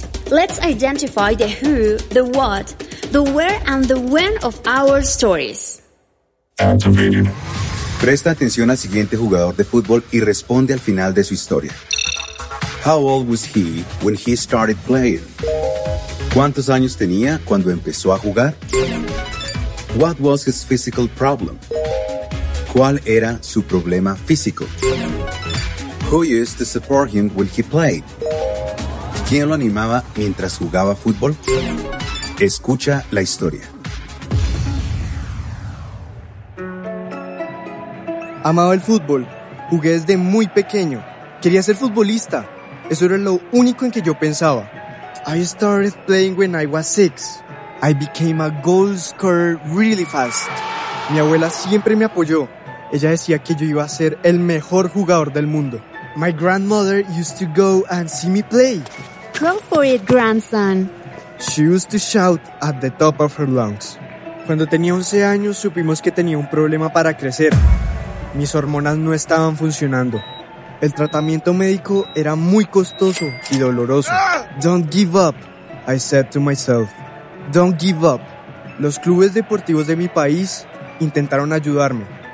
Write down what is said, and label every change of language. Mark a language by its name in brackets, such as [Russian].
[English] Let's identify the who, the what, the where and the when of our stories. [Spanish] Presta atención al siguiente jugador de fútbol y responde al final de su historia. [English] How old was he when he started playing? [Spanish] ¿Cuántos años tenía cuando empezó a jugar? [English] What was his physical problem? [Spanish] ¿Cuál era su problema físico? [English] Who used to support him when he played? [Spanish] ¿Quién lo animaba mientras jugaba fútbol? Escucha la historia. Amaba el fútbol. Jugué desde muy pequeño. Quería ser futbolista. Eso era lo único en que yo pensaba. [English] I started playing when I was 6. I became a goal scorer really fast. [Spanish] Mi abuela siempre me apoyó. Ella decía que yo iba a ser el mejor jugador del mundo. [English] My grandmother used to go and see me play. Go for it, grandson. She used to shout at the top of her lungs. [Spanish] Cuando tenía 11 años, supimos que tenía un problema para crecer. Mis hormonas no estaban funcionando. El tratamiento médico era muy costoso y doloroso. [English] Don't give up, I said to myself. Don't give up. [Spanish] Los clubes deportivos de mi país intentaron ayudarme.